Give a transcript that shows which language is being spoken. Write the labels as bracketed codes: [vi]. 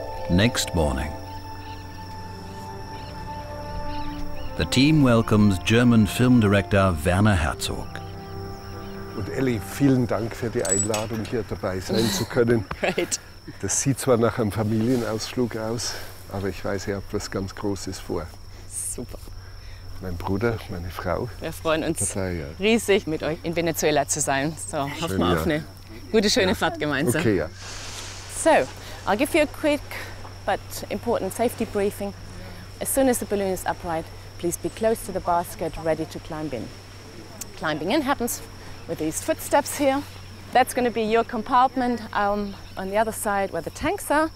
[en] Next morning, the team welcomes German film director Werner Herzog. [de] Und Ellie, vielen Dank für die Einladung, hier dabei sein zu können. [en] Great. [de] Das sieht zwar nach einem Familienausflug aus, aber ich weiß, ihr habt was ganz Großes vor. Super. Mein Bruder, meine Frau. Wir freuen uns riesig, mit euch in Venezuela zu sein. So, hoffen wir auf eine gute, schöne Fahrt gemeinsam. Okay, ja. [en] So, I'll give you a quick but important safety briefing. As soon as the balloon is upright, please be close to the basket, ready to climb in. Climbing in happens with these footsteps here. That's going to be your compartment on the other side where the tanks are.